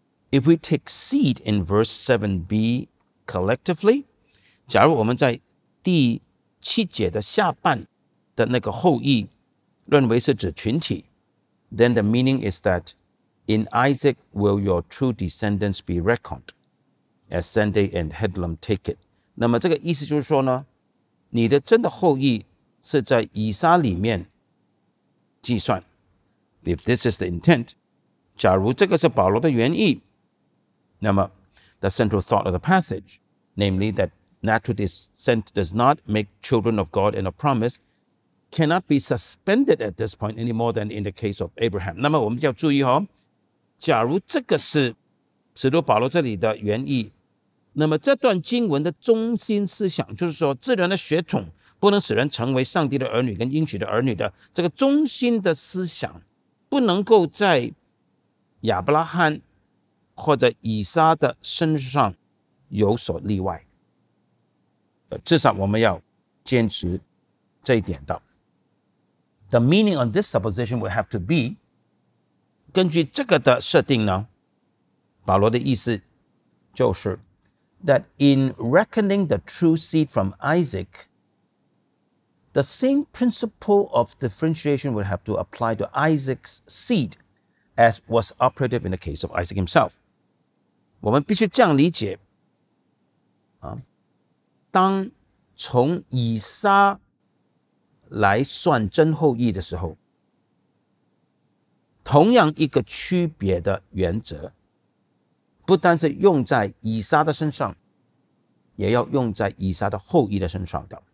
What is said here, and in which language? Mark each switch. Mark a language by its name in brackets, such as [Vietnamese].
[English] If we take seed in verse 7b collectively， [Chinese] 假如我们在第七节的下半的那个后裔认为是指群体， [English] then the meaning is that in Isaac will your true descendants be reckoned as Sunday and Headlam take it。 [Chinese] 那么这个意思就是说呢，你的真的后裔是在以撒里面计算。 [English] If this is the intent， [Chinese] 假如这个是保罗的原意，那么 [English] the central thought of the passage， namely that natural descent does not make children of God and of promise，cannot be suspended at this point any more than in the case of Abraham。 [Chinese] 那么我们要注意哦，假如这个是使徒保罗这里的原意，那么这段经文的中心思想就是说，自然的血统不能使人成为上帝的儿女跟应许的儿女的这个中心的思想，不能够在亚伯拉罕或者以撒的身上有所例外。至少我们要坚持这一点的。 [English] The meaning on this supposition would have to be， [Chinese] 根据这个的设定呢，保罗的意思就是 [English] that in reckoning the true seed from Isaac， the same principle of differentiation would have to apply to Isaac's seed as was operative in the case of Isaac himself。 [Chinese] 我们必须这样理解，当从以撒来算真后裔的时候，同样一个区别的原则不单是用在以撒的身上，也要用在以撒的后裔的身上的。